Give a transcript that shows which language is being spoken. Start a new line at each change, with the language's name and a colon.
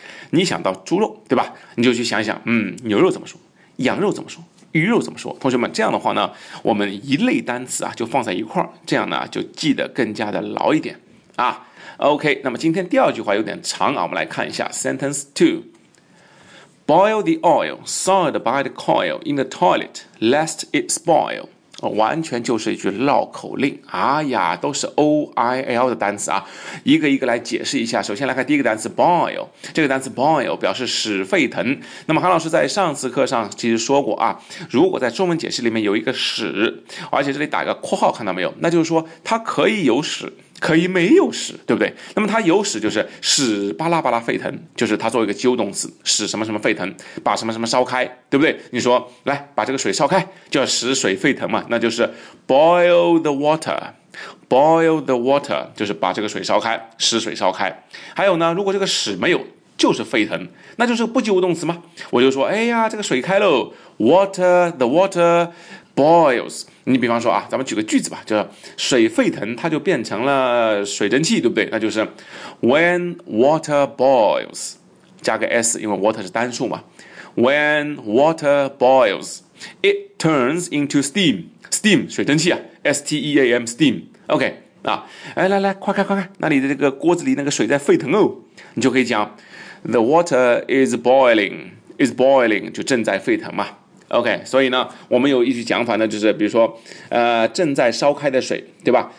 Chinese: 你想到猪肉，对吧？你就去想想，嗯，牛肉怎么说？羊肉怎么说？鱼肉怎么说？同学们，这样的话呢，我们一类单词啊就放在一块儿，这样呢就记得更加的牢一点啊。 OK， 那么今天第二句话有点长啊，我们来看一下
English: sentence two。 Boil the oil soiled by the coil in the toilet, lest it spoil.
Chinese: 完全就是一句绕口令。哎呀，都是 O-I-L 的单词啊，一个一个来解释一下。首先来看第一个单词 boil， 这个单词 boil 表示屎沸腾。那么韩老师在上次课上其实说过啊，如果在中文解释里面有一个屎，而且这里打个括号，看到没有？那就是说它可以有屎，可以没有使，对不对？那么它有使就是使巴拉巴拉沸腾，就是它做一个及物动词，使什么什么沸腾，把什么什么烧开，对不对？你说来把这个水烧开，就要使水沸腾嘛，那就是
English: boil the water。 Boil the water
Chinese: 就是把这个水烧开，使水烧开。还有呢，如果这个使没有，就是沸腾，那就是不及物动词吗？我就说，哎呀，这个水开喽 ，
English: water the water boils。
Chinese: 你比方说啊，咱们举个句子吧，就是水沸腾，它就变成了水蒸气，对不对？那就是
English: when water boils，
Chinese: 加个 s， 因为 water 是单数嘛。
English: When water boils， it turns into steam。 Steam 水蒸气啊 ，steam steam。
Chinese: OK 啊，哎，来来，快看快看，那里的这个锅子里那个水在沸腾哦，你就可以讲 ，
English: the water is boiling，
Chinese: 就正在沸腾嘛。 OK， 所以呢，我们有一句讲法呢，就是比如说，正在烧开的水，对吧？